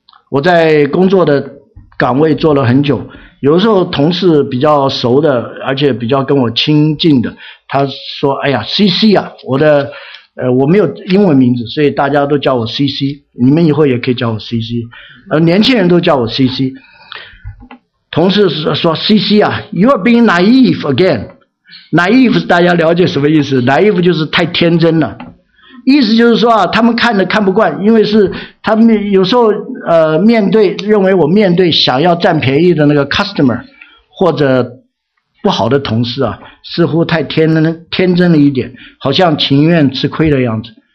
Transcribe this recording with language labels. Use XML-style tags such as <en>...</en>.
<zh>我在工作的岗位做了很久，有时候同事比较熟的，而且比较跟我亲近的，他说，哎呀 CC 啊，我的我没有英文名字，所以大家都叫我 CC， 你们以后也可以叫我 CC， 年轻人都叫我 CC。同事说 CC 啊，</zh> <en>You are being naive again。</en> <zh>Naive 大家了解什么意思？Naive 就是太天真了，意思就是说啊，他们看着看不惯，因为是他们有时候面对，认为我面对想要占便宜的那个 customer 或者不好的同事啊，似乎太天真了一点，好像情愿吃亏的样子。</zh>